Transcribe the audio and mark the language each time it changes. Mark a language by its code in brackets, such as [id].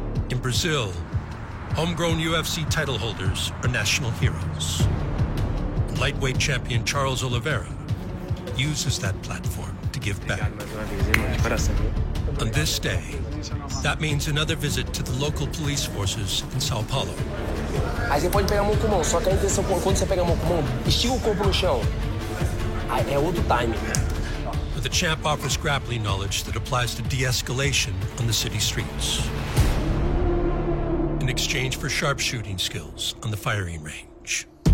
[en] In Brazil, homegrown UFC title holders are national heroes. Lightweight champion Charles Oliveira uses that platform to give back. On this day, that means another visit to the local police forces in Sao Paulo. [pt] Aí você pode pegar a mão com a mão, só que a intenção, quando você pega a mão com a mão, estica o corpo no chão. Aí é outro timing. [en] But the champ offers grappling knowledge that applies to de-escalation on the city streets. In exchange for sharpshooting skills on the firing range.